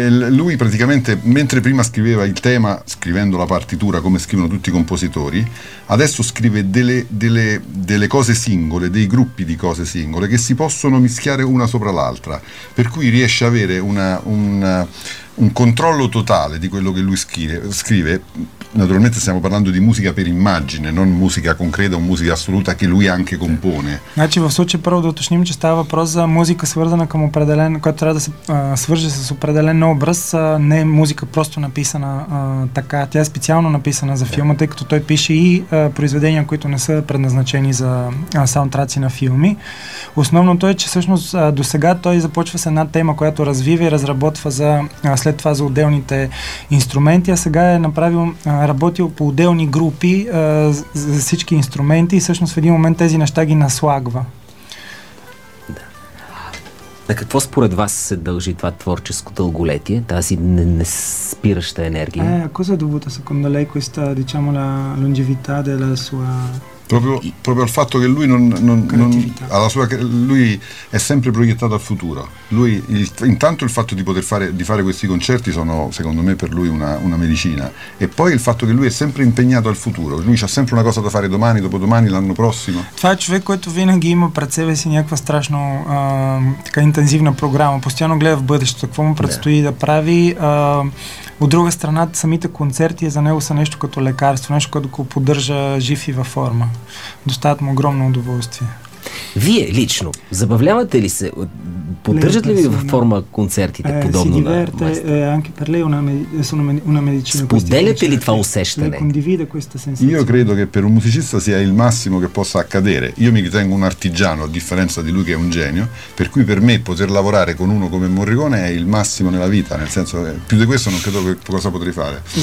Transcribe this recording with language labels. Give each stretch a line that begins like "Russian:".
Italian: Lui praticamente mentre prima scriveva il tema scrivendo la partitura come scrivono tutti i compositori, adesso scrive delle cose singole, dei gruppi di cose singole che si possono mischiare una sopra l'altra, per cui riesce a avere un controllo totale di quello che lui scrive. Naturalmente stiamo parlando di musica per immagine, non musica concreta o musica assoluta che lui anche compone.
Bulgarian: Значи в случая първо да уточним, че става въпрос за музика свързана към определен, която трябва да се свърже с определен образ, не музика просто написана така, тя е специално написана за филма, тъй като той пише и произведения, които не са предназначени за саундтраци на филми. Основното е, че всъщност до сега той започва с една тема, която развива и разработва за след това за отделните инструменти, а сега е направил работил по отделни групи за всички инструменти и всъщност в един момент тези неща ги наслагва. Да. На какво според вас се дължи това творческо дълголетие, тази неспираща енергия?
Italian: Cosa dovuta secondo lei questa, diciamo, la longevità della sua proprio al fatto che lui non alla sua lui è sempre proiettato al futuro. Lui intanto il fatto di poter fare questi concerti sono secondo me per lui una medicina e poi il fatto che lui è sempre impegnato al futuro. Lui c'ha sempre una cosa da fare domani, dopodomani, l'anno prossimo.
Bulgarian: Това е човек, който винаги има пред себе си някаква страшно така интензивна програма, постоянно гледа в бъдещето, какво му предстои да прави. От друга страна, самите концерти за него са нещо като лекарство, нещо, което го поддържа жив и във форма. Доставят му огромно удоволствие. Вие лично, забавлявате ли се? Поддържат ли ви във форма концертите, подобно на маестро? Споделяте ли това усещане?
Italian: Io credo che per un musicista sia il massimo che possa accadere. Io mi ritengo un artigiano, a differenza di lui che è un genio, per cui per me poter lavorare con uno come Morricone è il massimo nella vita, nel senso che più di questo non credo che cosa potrei fare.